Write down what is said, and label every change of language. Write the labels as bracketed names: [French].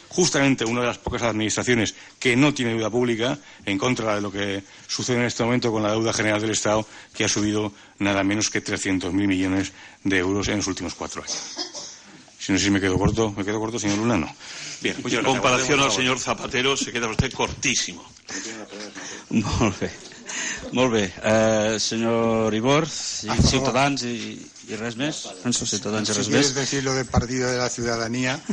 [Spanish] Justamente una de las pocas administraciones que no tiene deuda pública, en contra de lo que sucede en este momento con la deuda general del Estado, que ha subido nada menos que 300.000 millones de euros en los últimos 4 años. Si no sé si me quedo corto, señor Luna, no. Bien, pues en comparación al señor Zapatero, se queda usted cortísimo. [Catalan] Molt bé. Molt bé. Senyor Ibor, Ciutadans i res més. Penso Ciutadans i res més. [Spanish] Si quieres decir lo del Partido de la Ciudadanía.